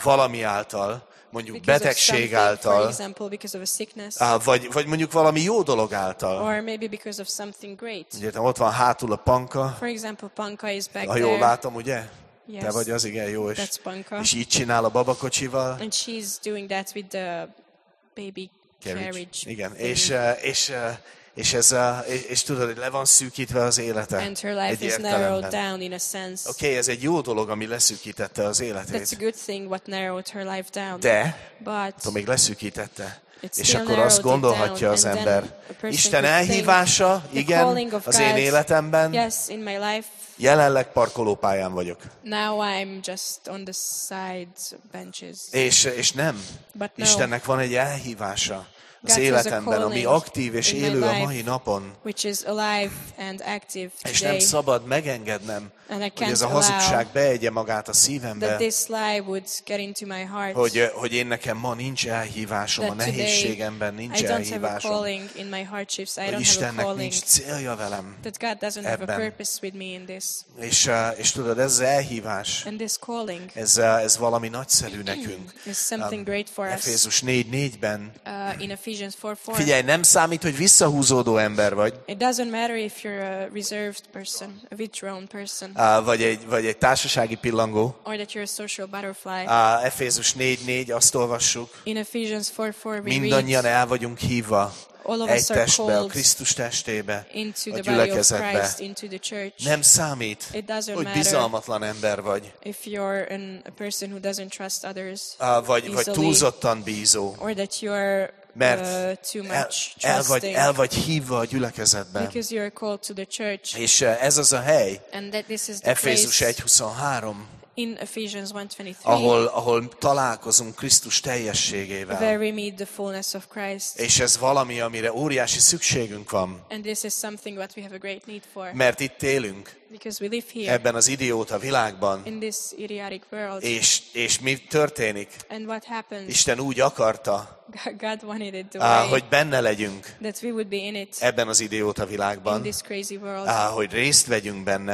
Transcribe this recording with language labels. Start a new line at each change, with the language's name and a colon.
Hungarian: valami által, mondjuk
English: because
Hungarian: betegség által,
English: for example, because of a sickness,
Hungarian: vagy mondjuk valami jó dolog által.
English: Or maybe because of something great.
Hungarian: Értem, ott van hátul a panka.
English: For example, panka is back
Hungarian: ha jól
English: there.
Hungarian: Látom, ugye?
English: Yes.
Hungarian: Te vagy az, igen, jó. És,
English: that's panka.
Hungarian: És így csinál a babakocsival.
English: And she's doing that with the baby carriage.
Hungarian: Igen, és ez a, és tudod, hogy le van szűkítve az élete.
English: And her life
Hungarian: egy
English: is
Hungarian: értelemben.
English: Narrowed down in a sense.
Hungarian: Okay, ez egy jó dolog, ami leszűkítette az életét.
English: That's a good thing what narrowed her life down.
Hungarian: De,
English: but
Hungarian: attól még leszűkítette. És akkor azt gondolhatja az ember. Isten elhívása, igen, az én életemben.
English: Yes, in my life.
Hungarian: Jelenleg parkolópályán vagyok.
English: Now I'm just on the side benches.
Hungarian: És nem.
English: But no.
Hungarian: Istennek van egy elhívása.
English: God
Hungarian: az életemben, ami aktív és élő
English: life,
Hungarian: a mai napon,
English: which is alive and active today,
Hungarian: és nem szabad megengednem, hogy ez a hazugság beegye magát a szívembe,
English: that this lie would get into my heart,
Hungarian: hogy én nekem ma nincs elhívásom, a nehézségemben nincs
English: I don't
Hungarian: elhívásom,
English: have a calling in my hardships, I don't
Hungarian: Istennek
English: have a calling,
Hungarian: nincs célja velem
English: that God doesn't
Hungarian: ebben.
English: Have a purpose with me in this.
Hungarian: És tudod, ez az elhívás,
English: and this calling,
Hungarian: ez valami nagyszerű nekünk.
English: Is something great for us.
Hungarian: Efézus 4:4-ben
English: in Ephesians 4:4.
Hungarian: Figyelj, nem számít, hogy visszahúzódó ember vagy.
English: It doesn't matter if you're a reserved person, a withdrawn person.
Hungarian: Vagy egy társasági pillangó.
English: Or that you're a social butterfly.
Hungarian: Efézus 4:4, azt olvassuk.
English: In Ephesians 4:4 we
Hungarian: mindannyian
English: read,
Hungarian: el vagyunk hívva.
English: All of
Hungarian: egy
English: us
Hungarian: testbe,
English: are
Hungarian: a Krisztus testébe,
English: into the
Hungarian: a gyülekezetbe.
English: Body of Christ, into the church.
Hungarian: Nem számít,
English: it doesn't
Hungarian: hogy bizalmatlan ember vagy.
English: If you're a person who doesn't trust others easily,
Hungarian: vagy túlzottan bízó.
English: Or that you are
Hungarian: mert
English: too much
Hungarian: el vagy hívva a gyülekezetbe.
English: Because you are called to the church.
Hungarian: És ez az a hely.
English: And that this is
Hungarian: Efézus 1:23.
English: In Ephesians 1:23.
Hungarian: Ahol találkozunk Krisztus teljességével.
English: Where we meet the fullness of Christ.
Hungarian: És ez valami, amire óriási szükségünk van.
English: And this is something that we have a great need for.
Hungarian: Mert itt élünk.
English: Because we live here.
Hungarian: Ebben az idióta világban.
English: In this idiotic world.
Hungarian: És mi történik?
English: And what happens?
Hungarian: Isten úgy akarta.
English: God wanted it to be.
Hungarian: Hogy benne legyünk.
English: That we would be in it.
Hungarian: Ebben az idióta világban.
English: In this crazy world.
Hungarian: Hogy részt vegyünk benne.